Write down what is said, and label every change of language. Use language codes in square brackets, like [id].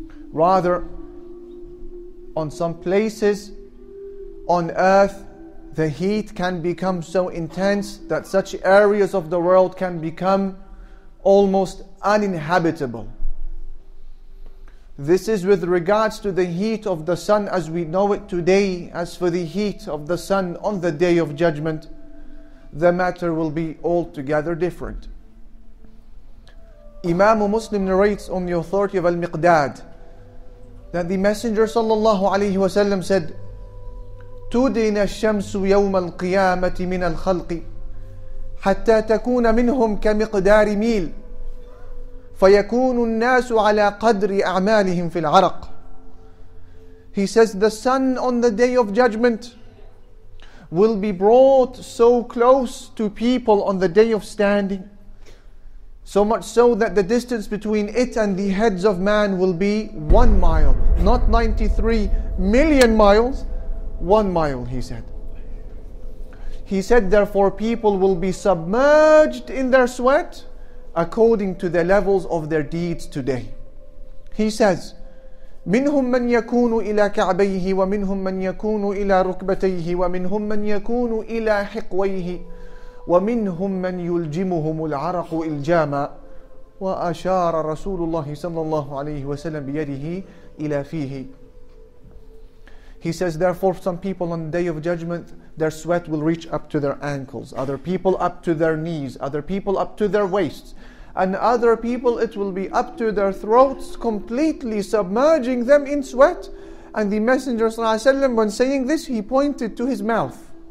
[en] Rather, on some places on Earth, the heat can become so intense that such areas of the world can become almost uninhabitable. This is with regards to the heat of the sun as we know it today. As for the heat of the sun on the Day of Judgment, the matter will be altogether different. Imam Muslim narrates on the authority of Al-Miqdad that the Messenger sallallahu alayhi wasallam said, [ar] تدين الشمس يوم القيامة من الخلق حتى تكون منهم كمقدار ميل فيكون الناس على قدر أعمالهم في العرق. [en] He says, the sun on the Day of Judgment will be brought so close to people on the Day of Standing, so much so that the distance between it and the heads of man will be 1 mile, not 93 million miles, 1 mile, he said. He said, therefore, people will be submerged in their sweat according to the levels of their deeds today. He says, [ar] منهم من يكون إلى كعبيه ومنهم من يكون إلى ركبتيه ومنهم من يكون إلى حقويه ومنهم من يلجمهم العرق إلجاما وأشار رسول الله صلى الله عليه وسلم بيده إلى فيه. [en] He says, therefore, some people on the Day of Judgment, their sweat will reach up to their ankles, other people up to their knees, other people up to their waists, and other people it will be up to their throats, completely submerging them in sweat. And the Messenger sallallahu alaihi wasallam, when saying this, he pointed to his mouth.